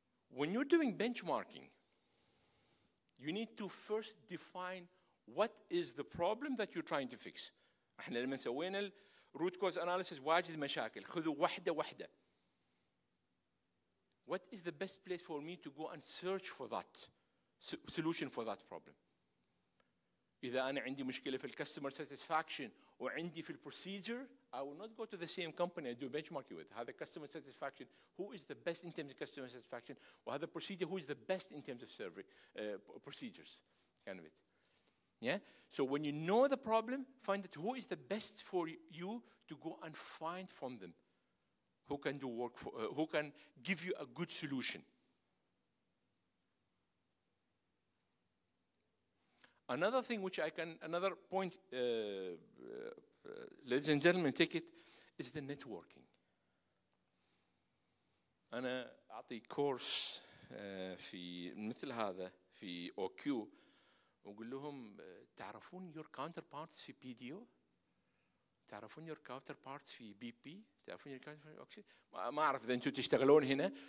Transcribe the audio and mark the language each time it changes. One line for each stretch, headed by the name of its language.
English: When you doing benchmarking You need to first define what is the problem that you're trying to fix.
Arabic: احنا لما سوينا root cause analysis واجد مشاكل خذوا واحدة واحدة.
English: What is the best place for me to go and search for that solution for that problem?
Arabic: إذا أنا عندي مشكلة في
English: customer satisfaction
Arabic: وعندي في
English: procedure, I will not go to the same company I do benchmark with. هذا customer satisfaction, who is the best in terms of customer satisfaction? وهذا procedure, who is the best in terms of survey procedures? Kind of it. Yeah? So when you know the problem, find out who is the best for you to go and find from them. Who can do work for, who can give you a good solution? Another thing which I can, another point, ladies and gentlemen, take it, is the networking.
Arabic: أنا أعطي كورس في مثل هذا في OQ وقل لهم تعرفون
English: your counterparts
Arabic: في PDO؟ تعرفون your counterparts في BP؟ تعرفون your counterparts في Oxy؟ ما أعرف إذا أنتم تشتغلون هنا.